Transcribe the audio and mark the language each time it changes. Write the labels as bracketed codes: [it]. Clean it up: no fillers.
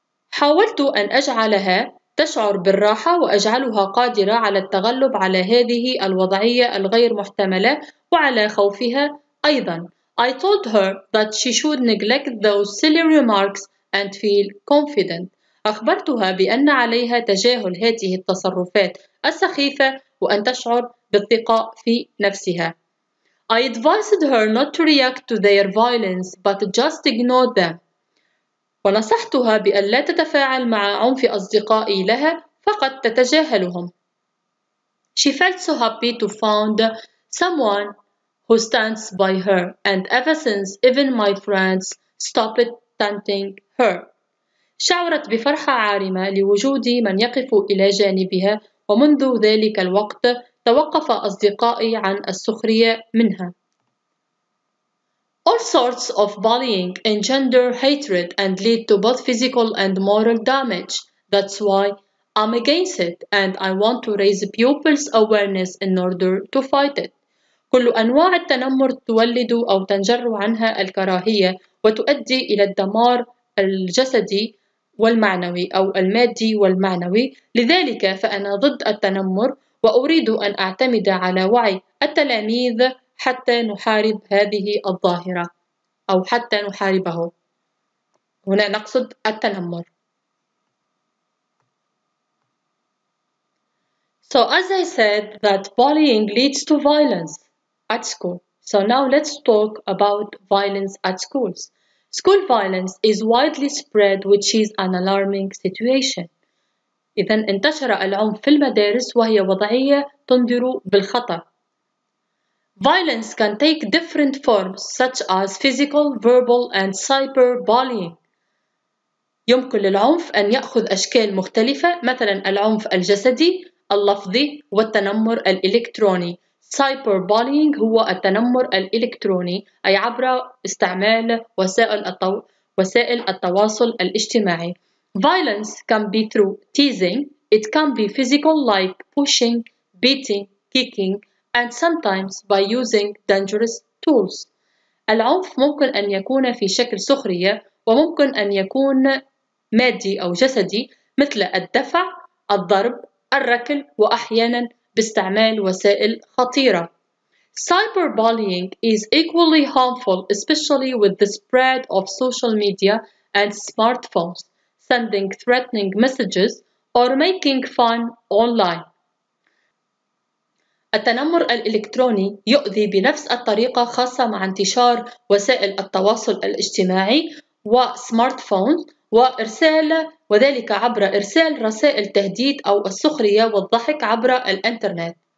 [ar] حاولت أن أجعلها تشعر بالراحة وأجعلها قادرة على التغلب على هذه الوضعية الغير محتملة وعلى خوفها أيضا. [en] I told her that she should neglect those silly remarks and feel confident. [ar] أخبرتها بأن عليها تجاهل هذه التصرفات السخيفة وأن تشعر بالثقة في نفسها. [en] I advised her not to react to their violence but just ignore them. [ar] ونصحتها بأن لا تتفاعل مع عنف أصدقائي لها فقط تتجاهلهم. [en] She felt so happy to find someone who stands by her and ever since even my friends stopped taunting her. [ar] شعرت بفرحة عارمة لوجود من يقف إلى جانبها ومنذ ذلك الوقت توقف أصدقائي عن السخرية منها. [en] All sorts of bullying engender hatred and lead to both physical and moral damage. That's why I'm against it and I want to raise pupils' awareness in order to fight it. [ar] كل أنواع التنمر تولد أو تنجر عنها الكراهية وتؤدي إلى الدمار الجسدي والمعنوي أو المادي والمعنوي. لذلك فأنا ضد التنمر وأريد أن أعتمد على وعي التلاميذ حتى نحارب هذه الظاهرة أو حتى نحاربه. هنا نقصد التنمر. [en] So as I said that bullying leads to violence at school. So now let's talk about violence at schools. School violence is widely spread, which is an alarming situation. [ar] إذا انتشر العنف في المدارس وهي وضعية تنذر بالخطر. [en] Violence can take different forms such as physical, verbal and cyberbullying. [ar] يمكن للعنف أن يأخذ أشكال مختلفة مثلا العنف الجسدي اللفظي والتنمر الإلكتروني. Cyberbullying هو التنمر الإلكتروني أي عبر استعمال وسائل التواصل الاجتماعي. [en] Violence can be through teasing. It can be physical like pushing, beating, kicking and sometimes by using dangerous tools. [ar] العنف ممكن أن يكون في شكل سخرية وممكن أن يكون مادي أو جسدي مثل الدفع، الضرب، الركل وأحياناً باستعمال وسائل خطيرة. [en] Cyberbullying is equally harmful especially with the spread of social media and smartphones, sending threatening messages or making fun online. [ar] التنمر الإلكتروني يؤذي بنفس الطريقة خاصة مع انتشار وسائل التواصل الاجتماعي وسمارتفون وإرسال وذلك عبر إرسال رسائل تهديد أو السخرية والضحك عبر الإنترنت.